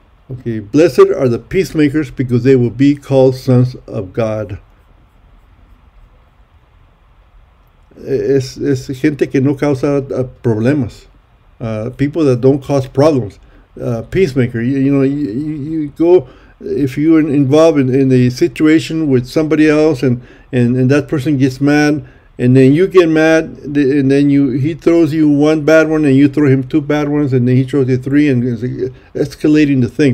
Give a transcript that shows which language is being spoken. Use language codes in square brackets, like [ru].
[en] Okay, blessed are the peacemakers because they will be called sons of God. [es] Es gente que no causa problemas. [en] People that don't cause problems. Peacemaker, you go, if you're involved in a situation with somebody else and that person gets mad, and then you get mad, and then he throws you one bad one, and you throw him two bad ones, and then he throws you three, and it's escalating the thing.